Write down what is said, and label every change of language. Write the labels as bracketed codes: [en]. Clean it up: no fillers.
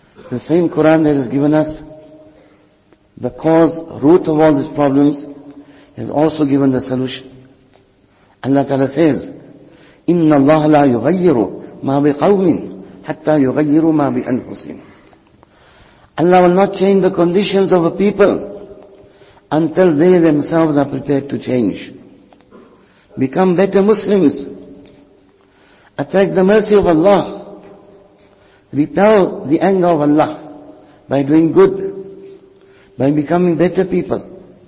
[en] The same Quran that has given us the cause, root of all these problems, has also given the solution. Allah Ta'ala says, [ar] إِنَّ اللَّهَ لَا يُغَيِّرُ مَا بِقَوْمٍ حَتَّى يُغَيِّرُ مَا بِأَنْفُسِهِمْ. [en] Allah will not change the conditions of a people until they themselves are prepared to change. Become better Muslims. Attract the mercy of Allah. Repel the anger of Allah by doing good, by becoming better people.